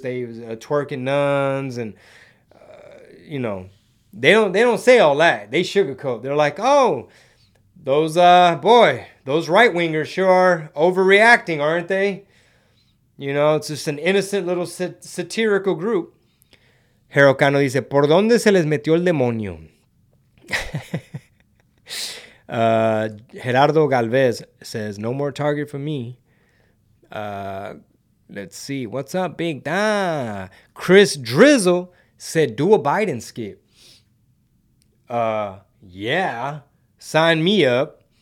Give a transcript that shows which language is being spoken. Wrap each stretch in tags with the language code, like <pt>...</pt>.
<en>They was twerking nuns. And, you know, they don't say all that. They sugarcoat. They're like, oh, those right wingers sure are overreacting, aren't they? You know, it's just an innocent little satirical group.</en> <es>Harold Cano dice, ¿por dónde se les metió el demonio?</es> <en>Gerardo Galvez says, no more Target for me. Let's see. What's up, Big Don? Chris Drizzle said, do a Biden skit. Yeah, sign me up.</en>